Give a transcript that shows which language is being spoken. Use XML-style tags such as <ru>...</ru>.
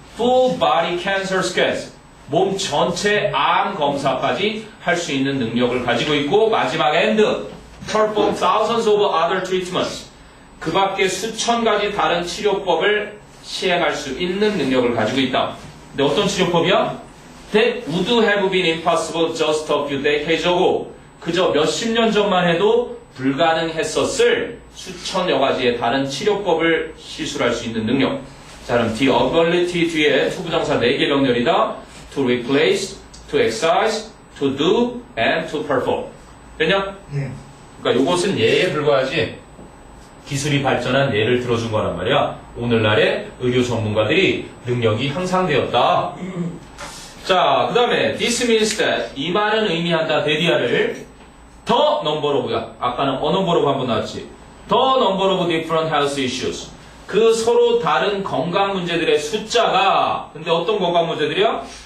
<en>Full body cancer scans.</en> <ko>몸 전체 암 검사까지 할 수 있는 능력을 가지고 있고, 마지막 end.</ko> <en>Perform thousands of other treatments.</en> <ko>그 밖에 수천 가지 다른 치료법을 시행할 수 있는 능력을 가지고 있다. 근데 어떤 치료법이야?</ko> <en>That would have been impossible just a few decades ago.</en> <ko>그저 몇십 년 전만 해도 불가능했었을 수천여 가지의 다른 치료법을 시술할 수 있는 능력. 자, 그럼</ko> <en>the ability</en> <ko>뒤에 투부정사 네 개 명렬이다.</ko> <en>To replace, to exercise, to do, and to perform.</en> <ko>됐냐? 네. 그러니까 이것은 예에 불과하지. 기술이 발전한 예를 들어준 거란 말이야. 오늘날의 의료 전문가들이 능력이 향상되었다. 자, 그 다음에</ko> <en>This means that</en> <ko>이 말은 의미한다 대디아를 더 number of 아까는 어 number of 한번 나왔지 더</ko> <en>number of different health issues</en> <ko>그 서로 다른 건강 문제들의 숫자가 근데 어떤 건강 문제들이야?</ko>